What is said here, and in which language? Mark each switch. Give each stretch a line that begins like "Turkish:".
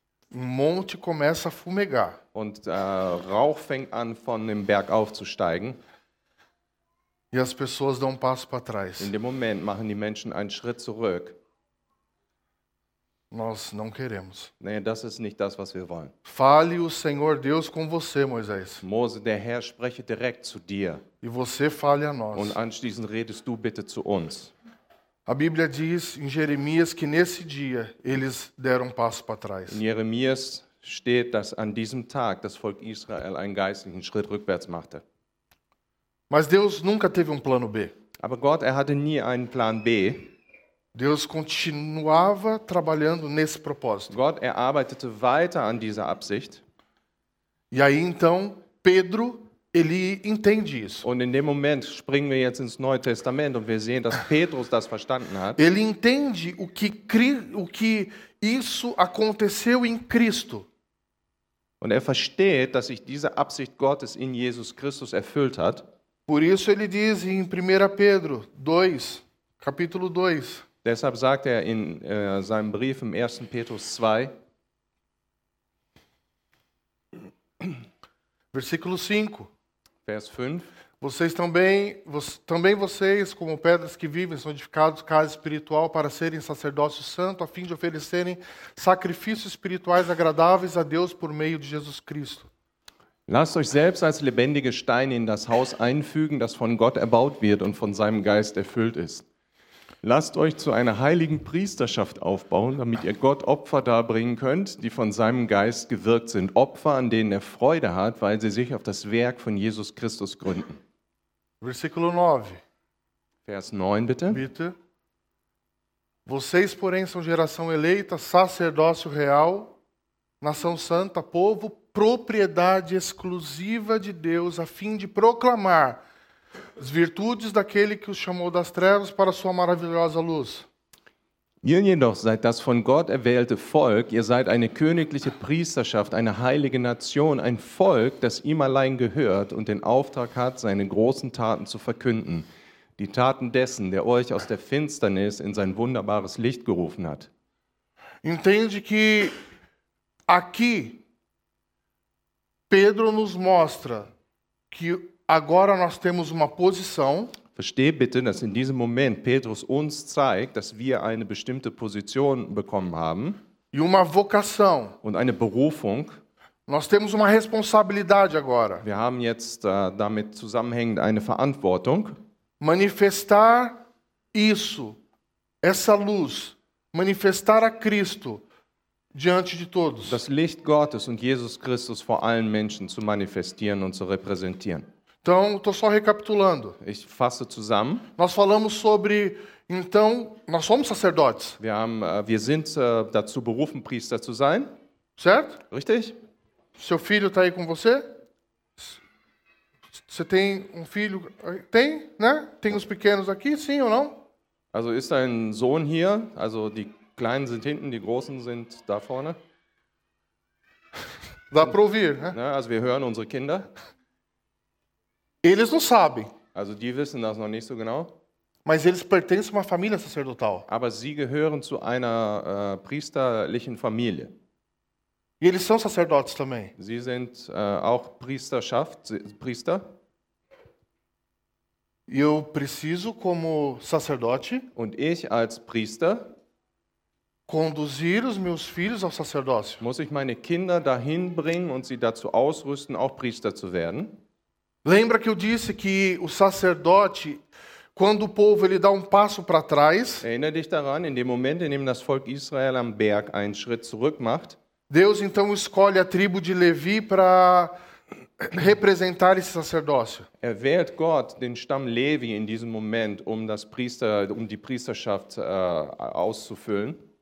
Portuguese: O monte começa a fumegar.
German: Und Rauch fängt an, von dem Berg aufzusteigen.
Portuguese: E as pessoas dão um passo para trás.
German: In dem Moment machen die Menschen einen Schritt zurück.
Portuguese: Nós não queremos.
German: Nee, das ist nicht das, was wir wollen.
Portuguese: Fale o Senhor Deus com você, Moisés.
German: Mose, der Herr spreche direkt zu dir.
Portuguese: E você fale a nós.
German: Und anschließend redest du bitte zu uns.
Portuguese: A Bíblia diz em Jeremias que nesse dia eles deram um passo para trás.
German: In Jeremias steht, dass an diesem Tag das Volk Israel einen geistlichen Schritt rückwärts machte.
Portuguese: Mas Deus nunca teve um plano B.
German: Aber Gott, er hatte nie einen Plan B.
Portuguese: Deus continuava trabalhando nesse propósito.
German: Gott, er arbeitete weiter an dieser Absicht.
Portuguese: E aí então, Pedro, ele entende isso.
German: Und in dem Moment springen wir jetzt ins Neue Testament und wir sehen, dass Petrus das verstanden hat.
Portuguese: Ele entende o que isso aconteceu em Cristo.
German: Und er versteht, dass sich diese Absicht Gottes in Jesus Christus erfüllt hat.
Portuguese: Por isso ele diz em 1 Pedro 2, capítulo 2.
German: Deshalb sagt er in seinem Brief im 1. Petrus 2,
Portuguese: Versículo 5.
German: Vers 5.
Portuguese: Vocês também, como pedras que vivem, são edificados casa espiritual para serem sacerdócio santo, a fim de oferecerem sacrifícios espirituais agradáveis a Deus por meio de Jesus Cristo.
German: Lasst euch selbst als lebendige Steine in das Haus einfügen, das von Gott erbaut wird und von seinem Geist erfüllt ist. Lasst euch zu einer heiligen Priesterschaft aufbauen, damit ihr Gott Opfer darbringen könnt, die von seinem Geist gewirkt sind. Opfer, an denen er Freude hat, weil sie sich auf das Werk von Jesus Christus gründen.
Portuguese: Versículo 9.
German: Vers 9, bitte. Bitte.
Portuguese: Vocês, porém, são geração eleita, sacerdócio real, nação santa, povo, propriedade exclusiva de Deus, a fim de proclamar as virtudes daquele que os chamou das trevas para sua maravilhosa luz.
German: Ihr jedoch seid das von Gott erwählte Volk, ihr seid eine königliche Priesterschaft, eine heilige Nation, ein Volk, das ihm allein gehört und den Auftrag hat, seine großen Taten zu verkünden. Die Taten dessen, der euch aus der Finsternis in sein wunderbares Licht gerufen hat.
Portuguese: Entende que aqui Pedro nos mostra que agora nós temos uma posição.
German: Versteh bitte, dass in diesem Moment Petrus uns zeigt, dass wir eine bestimmte Position bekommen haben.
Portuguese: E uma vocação.
German: Und eine Berufung.
Portuguese: Nós temos uma responsabilidade agora.
German: Wir haben jetzt damit zusammenhängend eine Verantwortung.
Portuguese: Manifestar isso, essa luz, manifestar a Cristo diante de todos.
German: Das Licht Gottes und Jesus Christus vor allen Menschen zu manifestieren und zu repräsentieren.
Portuguese: Então, estou só recapitulando.
German: Ich fasse zusammen.
Portuguese: Nós falamos sobre, então, nós somos sacerdotes.
German: Wir sind dazu berufen, Priester zu sein.
Portuguese: Certo?
German: Richtig?
Portuguese: Seu filho está aí com você? Você tem um filho? Tem, né? Tem os pequenos aqui, sim ou não?
German: Also ist dein Sohn hier? Also die Kleinen sind hinten, die Großen sind da vorne.
Portuguese: Dá para ouvir, né?
German: Also wir hören unsere Kinder.
Portuguese: Eles não sabem.
German: Also die wissen das noch nicht so genau.
Portuguese: Mas eles pertencem a uma família sacerdotal.
German: Aber sie gehören zu einer priesterlichen Familie.
Portuguese: E eles são sacerdotes também.
German: Sie sind auch Priesterschaft, Priester.
Portuguese: Eu preciso, como sacerdote,
German: und ich als Priester,
Portuguese: conduzir os meus filhos ao sacerdócio.
German: Muss ich meine Kinder dahin bringen und sie dazu ausrüsten, auch Priester zu werden?
Portuguese: Lembra que eu disse que o sacerdote, quando o povo ele dá um passo para trás,
German: erinnere dich daran, in dem Moment, in dem das Volk Israel am Berg einen Schritt zurück macht,
Portuguese: Deus então escolhe a tribo de Levi para representar esse sacerdócio.
German: Er wählt Gott den Stamm Levi in diesem Moment, um das Priester, um die Priesterschaft auszufüllen.